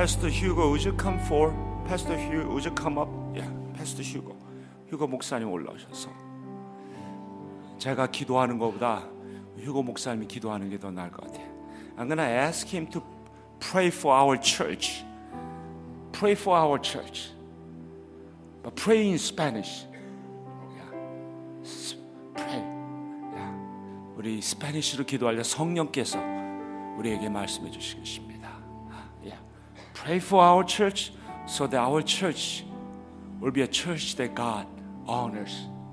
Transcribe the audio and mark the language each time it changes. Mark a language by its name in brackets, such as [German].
[English] 휴고, would you come for? Pastor Hugh, would you come up? Yeah, Pastor Hugo. [Korean] Hugo 목사님 올라오셔서 제가 기도하는 것보다 Hugo 목사님이 기도하는 게 더 나을 것 같아요. [English] I'm gonna ask him to pray for our church. Pray for our church. But pray in Spanish. Yeah. Pray. Yeah. [Korean] 우리 스페니쉬로 기도할 때 성령께서 우리에게 말씀해 주시겠습니다. [English] Pray for our church so that our church will be a church that God honors.